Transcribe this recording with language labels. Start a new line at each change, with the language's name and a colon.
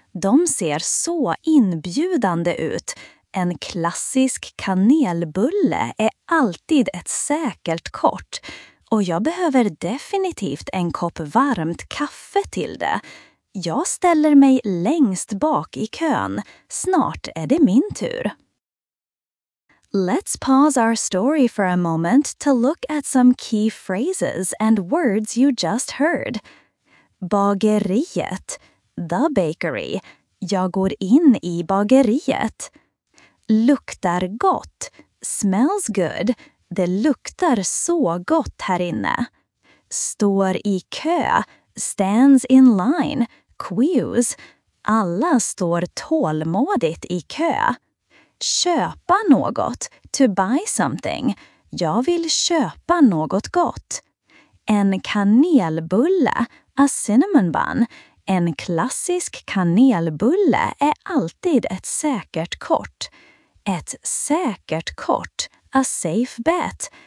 Swedish: De ser så inbjudande ut. En klassisk kanelbulle är alltid ett säkert kort. Och jag behöver definitivt en kopp varmt kaffe till det. Jag ställer mig längst bak i kön. Snart är det min tur.
English: Let's pause our story for a moment to look at some key phrases and words you just heard.
Swedish: Bageriet,
English: the bakery.
Swedish: Jag går in i bageriet. Luktar gott,
English: smells good.
Swedish: Det luktar så gott här inne. Står i kö,
English: stands in line, queues.
Swedish: Alla står tålmodigt i kö. Köpa något,
English: to buy something.
Swedish: Jag vill köpa något gott. En kanelbulle,
English: a cinnamon bun.
Swedish: En klassisk kanelbulle är alltid ett säkert kort. Ett säkert kort,
English: a safe bet.